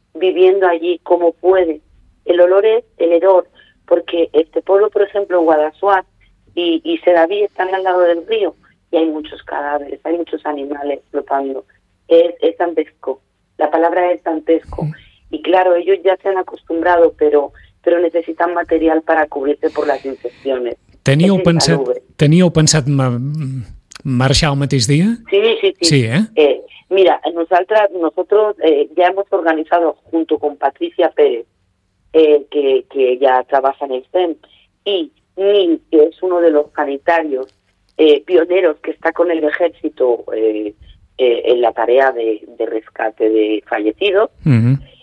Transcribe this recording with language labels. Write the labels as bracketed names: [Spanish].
[Spanish] viviendo allí como puede. El olor es el hedor, porque este pueblo, por ejemplo, en Guadasuar y Sedaví están al lado del río y hay muchos cadáveres, hay muchos animales flotando. Es dantesco, la palabra es dantesco. Y claro, ellos ya se han acostumbrado, pero necesitan material para cubrirse por las infecciones. [Catalan] Teníeu pensat marxar el mateix dia? [Spanish] Sí. Mira, nosotros ya hemos organizado junto con Patricia Pérez, que ya trabaja en el CEM, y Nil, que es uno de los sanitarios pioneros que está con el ejército en la tarea de rescate de fallecidos. Uh-huh.